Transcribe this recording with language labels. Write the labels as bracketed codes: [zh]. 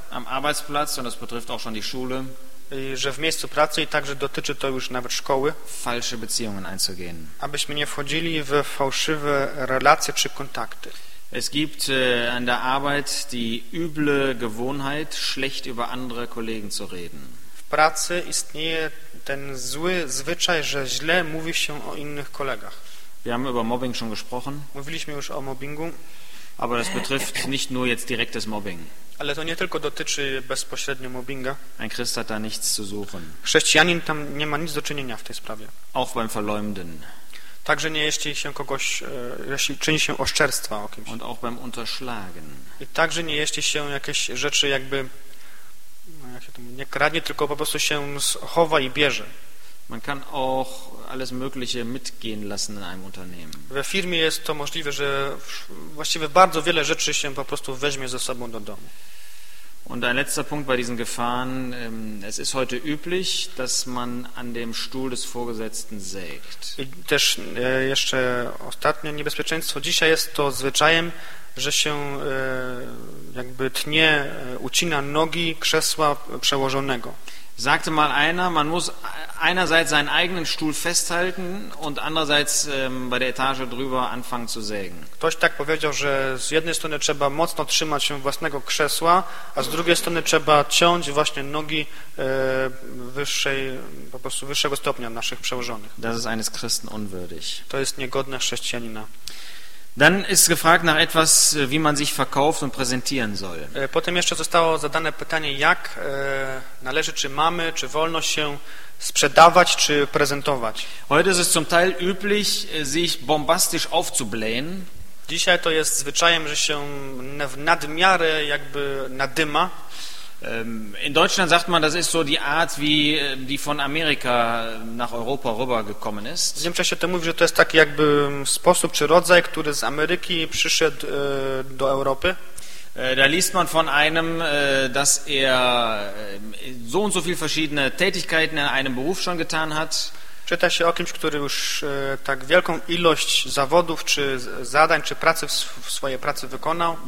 [de] Am Arbeitsplatz, und das betrifft auch schon die Schule. [pl] Że w miejscu pracy i także dotyczy to już nawet szkoły. [de] Falsche Beziehungen einzugehen. [pl] Abyśmy nie wchodzili w fałszywe relacje czy kontakty. [de] Es gibt an der Arbeit die üble Gewohnheit, schlecht über andere Kollegen zu reden. [pl] W pracy istnieje ten zły zwyczaj, że źle mówi się o innych kolegach. [de] Wir haben über Mobbing schon gesprochen. [pl] Mówiliśmy już o mobbingu. [de] Aber das betrifft nicht nur jetzt direktes Mobbing. [pl] Ale to nie tylko dotyczy bezpośrednio mobbinga. [de] Ein Christ hat da nichts zu suchen. [pl] Chrześcijanin tam nie ma nic do czynienia w tej sprawie. [de] Auch beim Verleumden. [pl] Także nie jeśli się kogoś, jeśli czyni się oszczerstwa o kimś. [de] Und auch beim Unterschlagen. [pl] I także nie jeśli się jakieś rzeczy jakby, no jak się to mówi, nie kradnie, tylko po prostu się chowa i bierze. [de] Man kann auch alles Mögliche mitgehen lassen in einem Unternehmen. [pl] We firmie jest to możliwe, że właściwie bardzo wiele rzeczy się po prostu weźmie ze sobą do domu. [de] Und ein letzter Punkt bei diesen Gefahren, es ist heute üblich, dass man an dem Stuhl des Vorgesetzten sägt. [pl] I też jeszcze ostatnie niebezpieczeństwo, dzisiaj jest to zwyczajem, że się jakby tnie, ucina nogi krzesła przełożonego. [de] Sagte mal einer, man muss einerseits seinen eigenen Stuhl festhalten und andererseits bei der Etage drüber anfangen zu sägen. [pl] Ktoś tak powiedział, że z jednej strony trzeba mocno trzymać się własnego krzesła, a z drugiej strony trzeba ciąć właśnie nogi wyższej, po prostu wyższego stopnia naszych przełożonych. [de] Das ist eines Christen unwürdig. [pl] To jest niegodne chrześcijanina. [de] Dann ist gefragt nach etwas, wie man sich verkauft und präsentieren soll. [pl] Potem jeszcze zostało zadane pytanie, jak należy, czy mamy, czy wolno się sprzedawać, czy prezentować. [de] Heute ist es zum Teil üblich, sich bombastisch aufzublähen. [pl] Dzisiaj to jest zwyczajem, że się w nadmiarę jakby nadyma. [de] In Deutschland sagt man, das ist so die Art, wie die von Amerika nach Europa rübergekommen ist. [pl] W Niemczech to mówi, że to jest taki jakby sposób czy rodzaj, który z Ameryki przyszedł do Europy. [de] Da liest man von einem, dass er so und so viele verschiedene Tätigkeiten in einem Beruf schon getan hat. [pl] Czyta się o kimś, który już tak wielką ilość zawodów, czy zadań, czy pracy w swojej pracy wykonał.